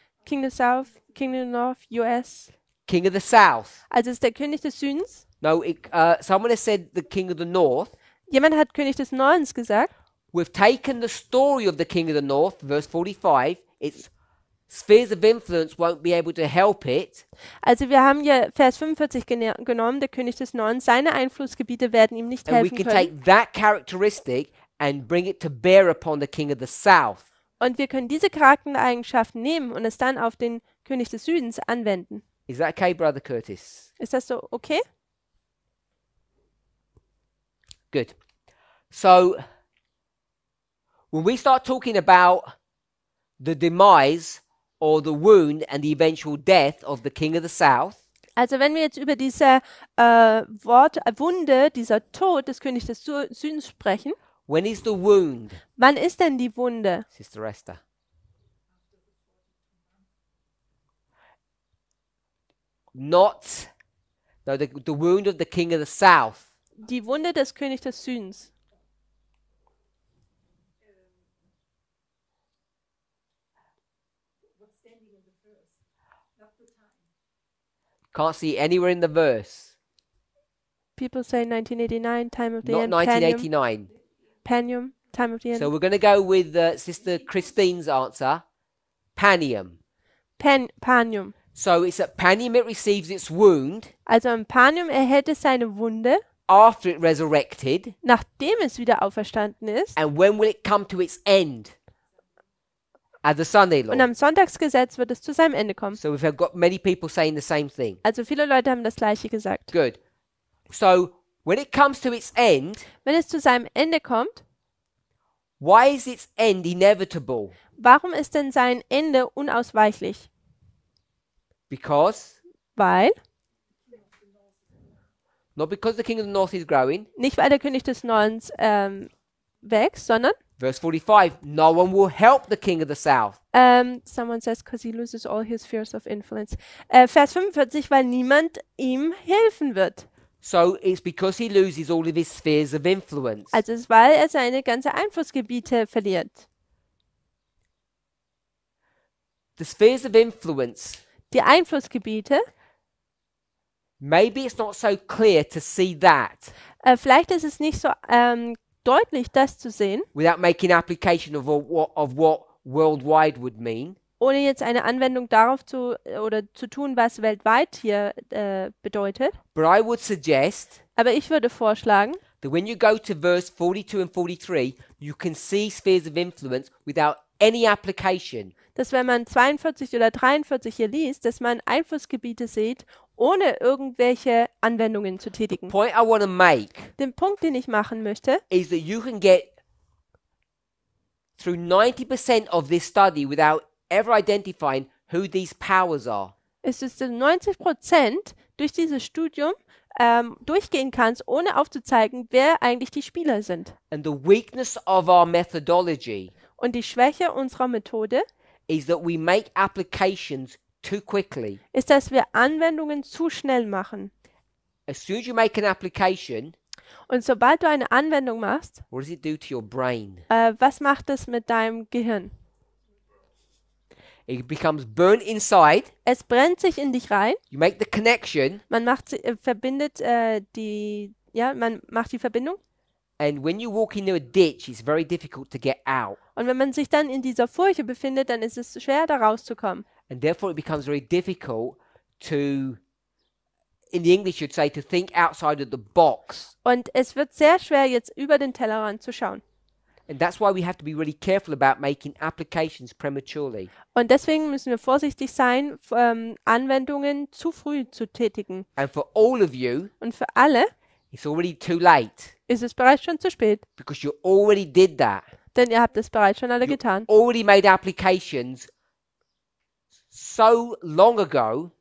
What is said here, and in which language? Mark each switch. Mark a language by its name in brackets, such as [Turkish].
[English] King of the south, king of the north, US. King of the south. [German] Also ist der König des Südens? [English] No, someone has said the king of the north. [German] Jemand hat König des Nordens gesagt. [English] We've taken the story of the king of the north, verse 45, it's spheres of influence won't be able to help it. [German] Also wir haben ja Vers 45 genommen, der König des Nordens, seine Einflussgebiete werden ihm nicht helfen können. [English] And we can take that characteristic and bring it to bear upon the king of the south. [German] Und wir können diese Charaktereigenschaften nehmen und es dann auf den König des Südens anwenden. [English] Is that okay, Brother Curtis? [German] Ist das so okay? [English] Good. So when we start talking about the demise or the wound and the eventual death of the king of the south. [German] Also wenn wir jetzt über diese Wunde, dieser Tod des Königs des Südens sprechen. [English] When is the wound? [German] Wann ist denn die Wunde? [English] Sister Esther. Not the wound of the king of the south. [German] Die Wunde des Königs des Südens. [English] Can't see anywhere in the verse. People say 1989, time of the not end. Not 1989. Panium, time of the end. So we're going to go with Sister Christine's answer. Panium. Panium. So it's at Panium it receives its wound. [German] Also am Panium erhält es seine Wunde. [English] After it resurrected. [German] Nachdem es wieder auferstanden ist. [English] And when will it come to its end? At the Sunday law. [German] Und am Sonntagsgesetz wird es zu seinem Ende kommen. [English] So we've got many people saying the same thing. [German] Also viele Leute haben das gleiche gesagt. [English] Good. So when it comes to its end, [German] wenn es zu seinem Ende kommt, [English] why is its end inevitable? [German] Warum ist denn sein Ende unausweichlich? [English] Because? [German] Weil? [English] Not because the king of the north is growing. [German] Nicht weil der König des Nordens wächst, sondern [English] verse 45, no one will help the king of the south. Someone says, because he loses all his fears of influence. [German] Vers 45, weil niemand ihm helfen wird. [English] So it's because he loses all of his spheres of influence. [German] Also es ist, weil er seine ganze Einflussgebiete verliert. [English] The spheres of influence. [German] Die Einflussgebiete. [English] Maybe it's not so clear to see that. [German] Vielleicht ist es nicht so deutlich, das zu sehen. [English] Without making application of what worldwide would mean. [German] ohne jetzt eine Anwendung darauf zu oder zu tun, was weltweit hier bedeutet. [English] But I would suggest [German] Aber ich würde vorschlagen, [English] that when you go to verse 42 and 43, you can see spheres of influence without any application. [German] dass wenn man 42 oder 43 hier liest, dass man Einflussgebiete sieht, ohne irgendwelche Anwendungen zu [English] The [German] tätigen. [English] point I want to make [German] Den Punkt, den ich machen möchte, [English] is that you can get through 90% of this study without ever identifying who these powers are. [German] ist, dass du 90% durch dieses Studium durchgehen kannst, ohne aufzuzeigen, wer eigentlich die Spieler sind. [English] And the weakness of our methodology [German] Und die Schwäche unserer Methode [English] is that we make applications too quickly. [German] ist, dass wir Anwendungen zu schnell machen. [English] As soon as you make an application, [German] Und sobald du eine Anwendung machst, [English] what does it do to your brain? [German] was macht es mit deinem Gehirn? [English] It becomes burnt inside. [German] Es brennt sich in dich rein. [English] You make the connection. [German] Man macht die Verbindung. [English] And when you walk into a ditch, it's very difficult to get out. [German] Und wenn man sich dann in dieser Furche befindet, dann ist es schwer, da rauszukommen. [English] And therefore it becomes very difficult to, in the English you'd say, to think outside of the box. [German] Und es wird sehr schwer, jetzt über den Tellerrand zu schauen. [English] And that's why we have to be really careful about making applications prematurely. [German] Und deswegen müssen wir vorsichtig sein, Anwendungen zu früh zu tätigen. [English] And for all of you, [German] Und für alle [English] it's already too late. [German] ist es bereits schon zu spät. [English] Because you already did that. [German] Denn ihr habt es bereits schon alle [English] You [German] getan. [English] already made applications so long ago.